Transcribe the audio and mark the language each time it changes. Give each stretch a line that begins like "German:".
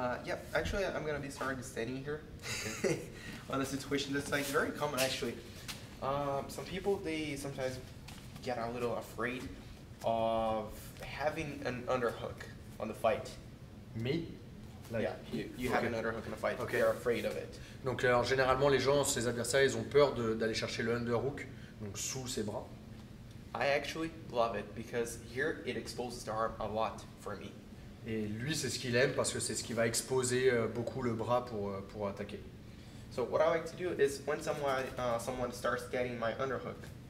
English: Yeah, actually I'm gonna be starting standing here. Okay. On a situation that's like very common actually. Some people they sometimes get a little afraid of having an underhook on the fight. Me? Like, yeah, you okay. Have an underhook in the fight. Okay. They're afraid of it.
French: Donc alors, généralement les gens, ses adversaires, ils ont peur d'aller chercher le underhook donc sous ses bras.
English: I actually love it because here it exposes the arm a lot for me.
French: Et lui, c'est ce qu'il aime parce que c'est ce qui va exposer beaucoup le bras pour attaquer.
English: So what I like to do is when someone starts getting my underhook.